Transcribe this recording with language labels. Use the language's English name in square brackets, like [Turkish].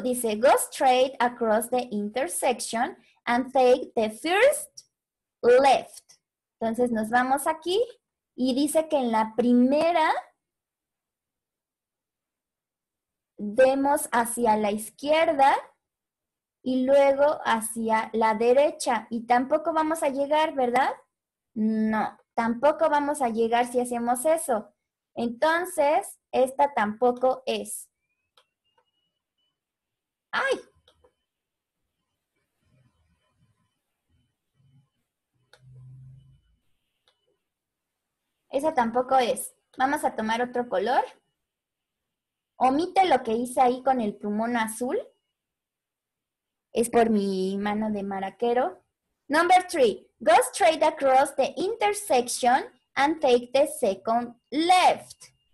[English] Dice, go straight across the intersection and take the first left. [Spanish] Entonces, nos vamos aquí. Y dice que en la primera demos hacia la izquierda y luego hacia la derecha. Y tampoco vamos a llegar, ¿verdad? No, tampoco vamos a llegar si hacemos eso. Entonces, esta tampoco es. ¡Ay! Esa tampoco es. Vamos a tomar otro color. Omite lo que hice ahí con el plumón azul. Es por mi mano de maraquero. [English] Number three. Go straight across the intersection and take the second left.